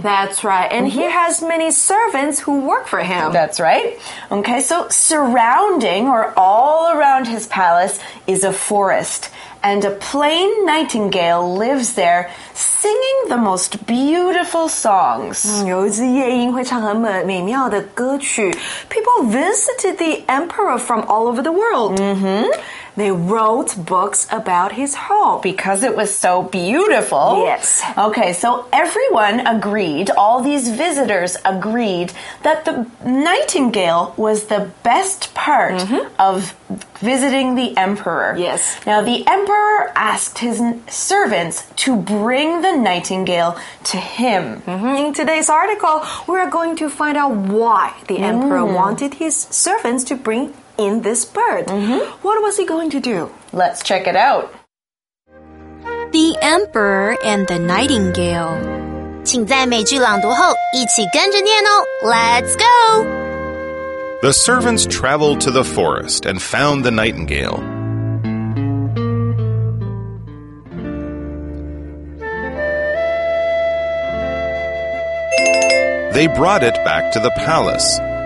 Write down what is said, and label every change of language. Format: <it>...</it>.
<en>That's right. And Mm-hmm. he has many servants who work for him. That's right. Okay, so surrounding or all around his palace is a forest. And a plain nightingale lives there, singing the most beautiful songs.</en> <zh>有一只夜莺会唱很美妙的歌曲。</zh> <en>People visited the emperor from all over the world. Mm-hmm. They wrote books about his home. Because it was so beautiful. Yes. Okay, so everyone agreed, all these visitors agreed, that the nightingale was the best part Mm-hmm. of visiting the emperor. Yes. Now, the emperor asked his servants to bring the nightingale to him. Mm-hmm. In today's article, we're going to find out why the emperor Mm. wanted his servants to bring in this bird. Mm-hmm. What was he going to do? Let's check it out. The Emperor and the Nightingale.</en> <zh>请在每句朗读后一起跟着念哦。</zh> <en>Let's go! The servants traveled to the forest and found the nightingale. They brought it back to the palace.</en>